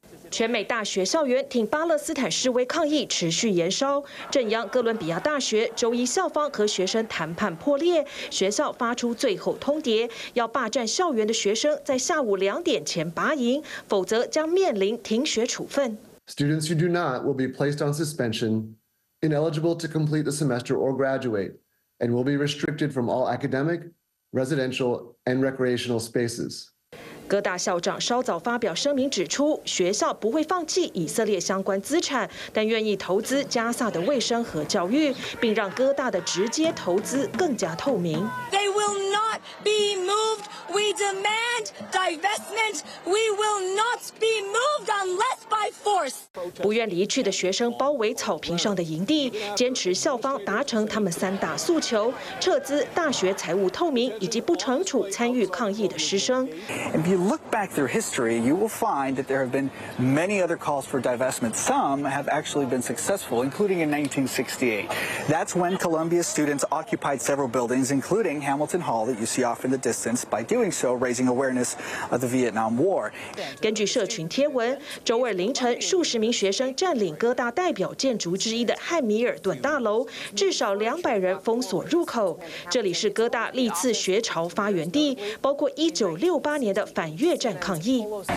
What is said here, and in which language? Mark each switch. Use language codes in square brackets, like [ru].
[zh] 全美大学校园挺巴勒斯坦示威抗议持续延烧，镇央哥伦比亚大学周一校方和学生谈判破裂，学校发出最后通牒，要霸占校园的学生在下午2点前拔营，否则将面临停学处分。 [en] Students who do not will be placed on suspension, ineligible to complete the semester or graduate, and will be restricted from all academic, residential, and recreational spaces. [zh] 各大校长稍早发表声明指出，学校不会放弃以色列相关资产，但愿意投资加萨的卫生和教育，并让各大的直接投资更加透明。 [en] They will not be moved. We demand divestment. We will not be moved unless by force. 不愿离去的学生包围草坪上的营地，坚持校方达成他们三大诉求：撤资、大学财务透明，以及不惩处参与抗议的师生。 If you look back through history, you will find that there have been many other calls for divestment. Some have actually been successful, including in 1968. That's when Columbia students occupied several buildings, including Hamilton Hall that you see off in the distance, by doing so, raising awareness of the Vietnam War. [zh] 根据社群贴文，周二凌晨，数十名学生占领哥大代表建筑之一的汉米尔顿大楼，至少两百人封锁入口。这里是哥大历次学潮发源地，包括1968年的反越战抗议。